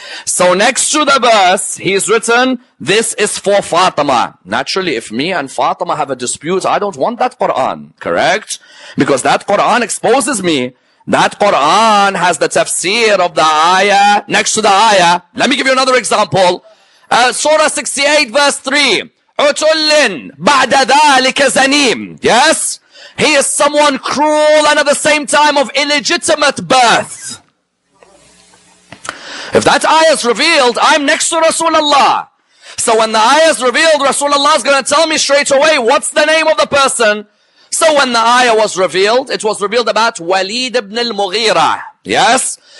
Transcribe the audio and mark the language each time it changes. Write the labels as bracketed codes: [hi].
[en] So next to the verse, he's written, this is for Fatima. Naturally, if me and Fatima have a dispute, I don't want that Quran, correct? Because that Quran exposes me. That Quran has the tafsir of the ayah next to the ayah. Let me give you another example. Surah 68, verse 3. [ar] Utullin ba'da dhalika zanim. [en] Yes? He is someone cruel and at the same time of illegitimate birth. If that ayah is revealed, I'm next to Rasulullah. So when the ayah is revealed, Rasulullah is going to tell me straight away, what's the name of the person? So when the ayah was revealed, it was revealed about Walid ibn al-Mughira. Yes?